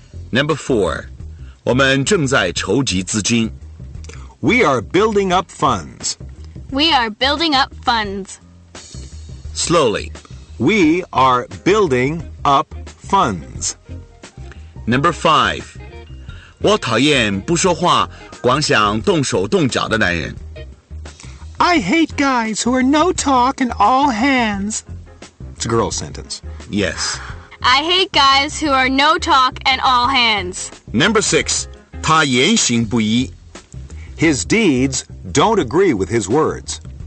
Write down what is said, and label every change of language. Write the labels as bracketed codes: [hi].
[en] Number 4. [zh] 我们正在筹集资金。 [en] We are building up funds. We are building up funds. Slowly. We are building up funds. Number 5. [zh] 我讨厌不说话光想动手动脚的男人。 [en] I hate guys who are no talk and all hands. It's a girl's sentence. Yes. I hate guys who are no talk and all hands. Number 6. [zh] 他言行不一。 [en] His deeds don't agree with his words.